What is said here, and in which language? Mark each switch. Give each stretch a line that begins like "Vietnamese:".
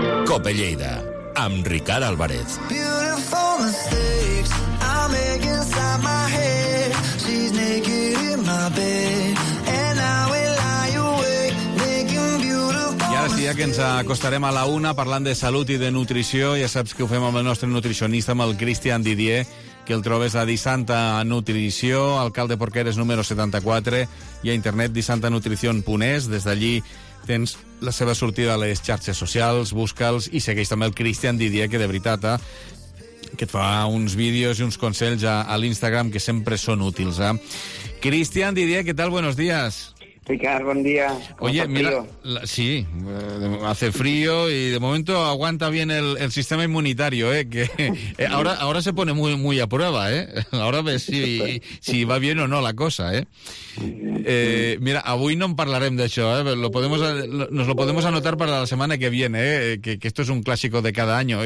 Catalan: Cope Lleida, amb Ricard Álvarez.
English: Beautiful mistakes I make inside my head. She's naked in my bed. And I will lie awake, making beautiful mistakes.
Catalan: I ara sí, ja que ens acostarem a la una parlant de salut i de nutrició, ja saps que ho fem amb el nostre nutricionista, amb el Christian Didier, que el trobes a Disanta Nutrició, alcalde Porqueres número 74, i a internet disantanutricion.es. Des d'allí tens la seva sortida a les xarxes socials, busca'ls, i segueix també el Christian Didier, que de veritat, que et fa uns vídeos i uns consells a l'Instagram que sempre són útils. Christian Didier, què tal?
Spanish: Buenos días.
Catalan: Ricard, bon dia.
Spanish: Oye, mira, sí, hace frío y de momento aguanta bien el sistema inmunitario, que ahora se pone muy, muy a prueba, Ahora ves si va bien o no la cosa, Mira,
Catalan: avui no en parlarem d'això,
Spanish: nos lo podemos anotar para la semana que viene, que esto es un clásico de cada año.